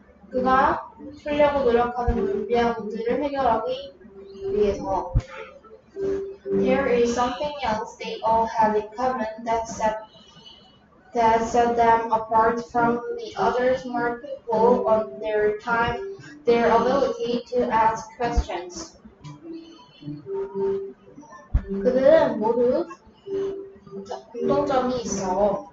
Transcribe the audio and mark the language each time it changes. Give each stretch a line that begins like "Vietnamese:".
Korean: 그가 풀려고 노력하는 논리학 문제를 해결하기 위해서.
English: There is something else they all have in common that set them apart from the other smart people on their time, their ability to ask questions.
Korean: 그들은 모두 공통점이 있어.